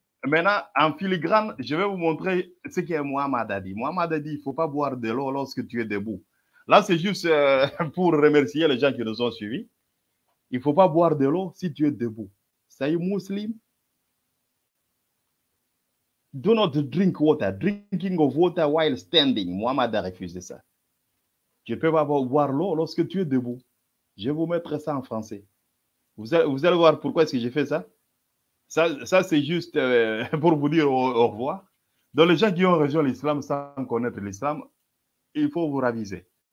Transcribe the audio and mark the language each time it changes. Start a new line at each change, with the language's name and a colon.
French: Maintenant, en filigrane, je vais vous montrer ce qu'est Mohamed a dit. Mohamed a dit il ne faut pas boire de l'eau lorsque tu es debout. Là, c'est juste pour remercier les gens qui nous ont suivis. Il ne faut pas boire de l'eau si tu es debout. Ça y est, musulman.
English: Do not drink water. Drinking of water while standing.
French: Muhammad a refusé ça. Tu peux pas boire l'eau lorsque tu es debout. Je vais vous mettre ça en français. Vous allez voir pourquoi est-ce que j'ai fait ça. Ça c'est juste pour vous dire au revoir. Donc les gens qui ont rejoint l'islam sans connaître l'islam, il faut vous raviser.